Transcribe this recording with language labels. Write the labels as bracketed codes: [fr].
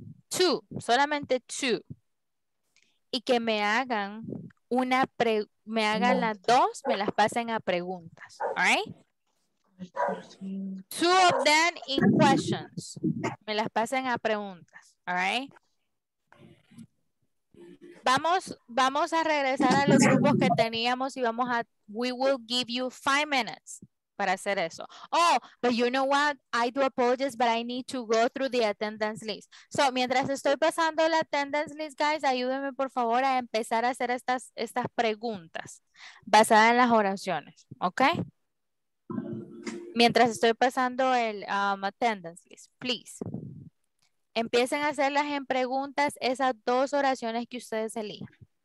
[es] Two, solamente two. Y que me hagan una pregunta, me hagan las dos, me las pasen a preguntas, alright? [en] Two of them in questions. [es] Me las pasen a preguntas. [en] All right. [es] Vamos a regresar a los grupos que teníamos y vamos a. [en] We will give you 5 minutes [es] para hacer eso. [en] Oh, but you know what? I do apologize, but I need to go through the attendance list. [es] So, mientras estoy pasando la attendance list, guys, ayúdenme por favor a empezar a hacer estas preguntas basadas en las oraciones. Ok. Mientras estoy pasando el attendance list, please. Empiecen a hacerlas en preguntas esas dos oraciones que ustedes elijan.